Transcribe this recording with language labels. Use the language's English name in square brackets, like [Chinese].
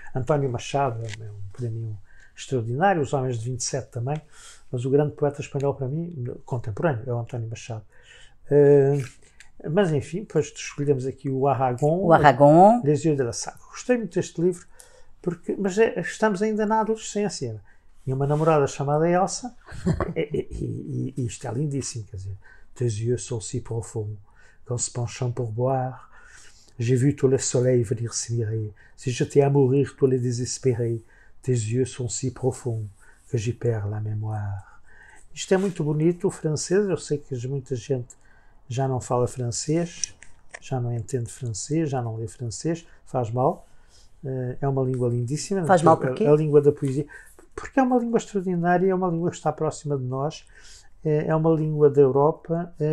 [Portuguese] António Machado é um prémio extraordinário, Os Homens de 27 também, mas o grande poeta espanhol para mim, contemporâneo, é o António Machado. Mas enfim, depois escolhemos aqui o O Aragão, Aragón. Desio de la Saga. Gostei muito deste livro, mas estamos ainda na adolescência. E uma namorada chamada Elsa, e isto é lindíssimo, quer dizer, [French] tes yeux sont si profonds, qu'en se penchant pour boire, j'ai vu tous les soleils venir s'émirer, si j'étais à mourir, tous les désespérés, tes yeux sont si profonds que j'y perds la mémoire. [Portuguese] Isto é muito bonito, o francês, eu sei que muita gente já não fala francês, já não entende francês, já não lê francês, faz mal. É uma língua lindíssima, a Faz mal porquê? língua da poesia, porque é uma língua extraordinária, é uma língua que está próxima de nós, é uma língua da Europa.